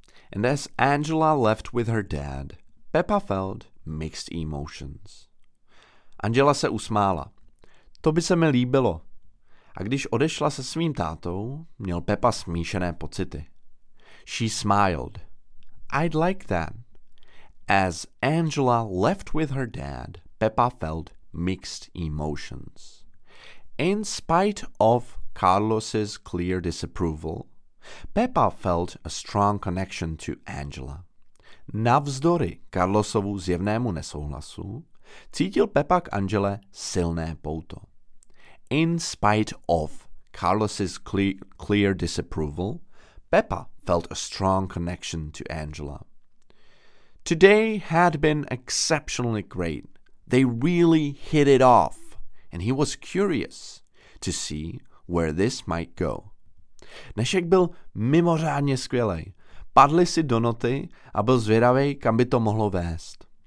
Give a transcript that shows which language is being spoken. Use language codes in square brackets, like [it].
[en] And as Angela left with her dad, Peppa felt mixed emotions. [cs] Angela se usmála. To by se mi líbilo. A když odešla se svým tátou, měl Peppa smíšené pocity. [en] She smiled. I'd like that. As Angela left with her dad, Peppa felt mixed emotions. In spite of Carlos's clear disapproval, Peppa felt a strong connection to Angela. [cs] Navzdory Carlosovu zjevnému nesouhlasu, cítil Peppa k Angele silné pouto. [en] In spite of Carlos's clear disapproval, Peppa felt a strong connection to Angela. Today had been exceptionally great. They really hit it off, and he was curious to see where this might go. [cs] Dnešek byl mimořádně skvělej. Padli si do noty a byl zvědavý, kam by to mohlo vést.